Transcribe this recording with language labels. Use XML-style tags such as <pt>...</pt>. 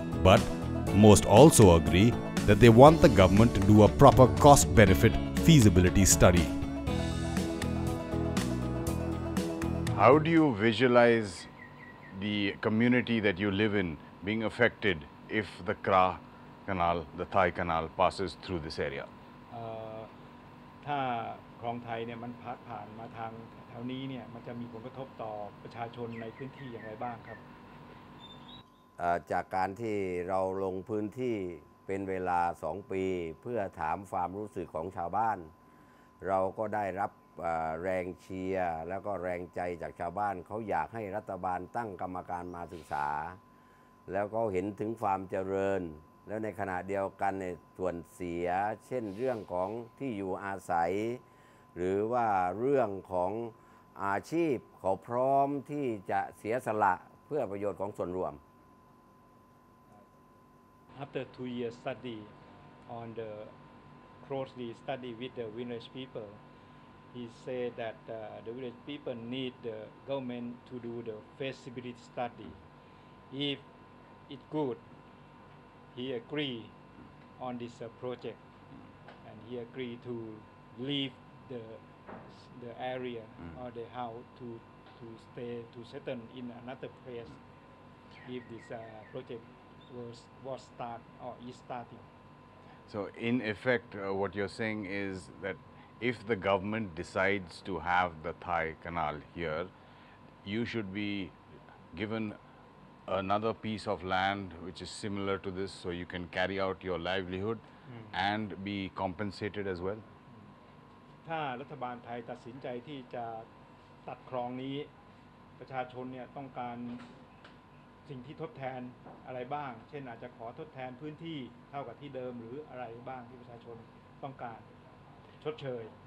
<en>But most also agree that they want the government to do a proper cost-benefit feasibility study. How do you visualize the community that you live in being affected if the Kra Canal, the Thai Canal, passes through this area?</en> <th>ถ้าคลองไทยเนี่ยมันพาดผ่านมาทางแถวนี้เนี่ยมันจะมีผลกระทบต่อประชาชนในพื้นที่อย่างไรบ้างครับ จากการที่เราลงพื้นที่เป็นเวลา2ปีเพื่อถามความรู้สึกของชาวบ้านเราก็ได้รับแรงเชียร์แล้วก็แรงใจจากชาวบ้านเขาอยากให้รัฐบาลตั้งกรรมการมาศึกษาแล้วก็เห็นถึงความเจริญแล้วในขณะเดียวกันในส่วนเสียเช่นเรื่องของที่อยู่อาศัยหรือว่าเรื่องของอาชีพเขาพร้อมที่จะเสียสละเพื่อประโยชน์ของส่วนรวม</th> <en>After 2 year study on the closely study with the village people he said that the village people need the government to do the feasibility study if it's goodHe agreed on this project, and he agreed to leave the area or the house to stay to settle in another place if this project was start or is starting. So in effect, what you're saying is that if the government decides to have the Thai Canal here, you should be given. Another piece of land which is similar to this so you can carry out your livelihood and be compensated as well</en> <th>ถ้ารัฐบาลไทยตัดสินใจที่จะตัดคลองนี้ประชาชนเนี่ยต้องการสิ่งที่ทดแทนอะไรบ้างเช่นอาจจะขอทดแทนพื้นที่เท่ากับที่เดิมหรืออะไรบ้างที่ประชาชนต้องการชดเชย</th>